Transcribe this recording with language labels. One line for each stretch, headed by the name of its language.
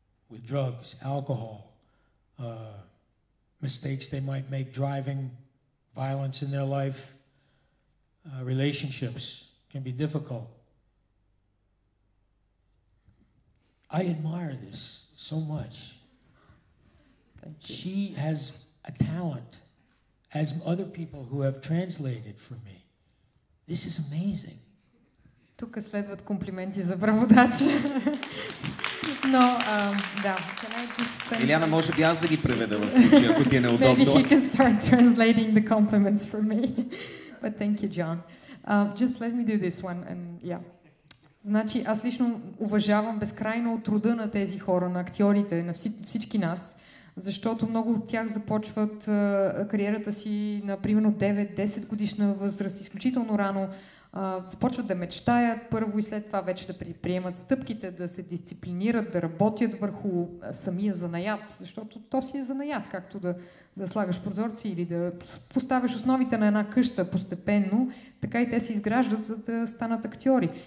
English: with drugs, alcohol, mistakes they might make driving, violence in their life, relationships can be difficult. I admire this so much. She has a talent, as other people who have translated for me. This is amazing.
Bulgarian: Тук следват комплименти за преводача. Но, да. Илиана, може би аз да ги преведа в случай, ако ти е неудобно.
English: Maybe he can start translating the compliments for me. But thank you, John. Just let me do this one. And, yeah.
Bulgarian: Значи, аз лично уважавам безкрайно труда на тези хора, на актьорите, на всички нас, защото много от тях започват кариерата си на примерно 9-10 годишна възраст, изключително рано. Започват да мечтаят първо и след това вече да предприемат стъпките, да се дисциплинират, да работят върху самия занаят, защото то си е занаят, както да слагаш прозорци или да поставяш основите на една къща постепенно, така и те се изграждат, за да станат актьори.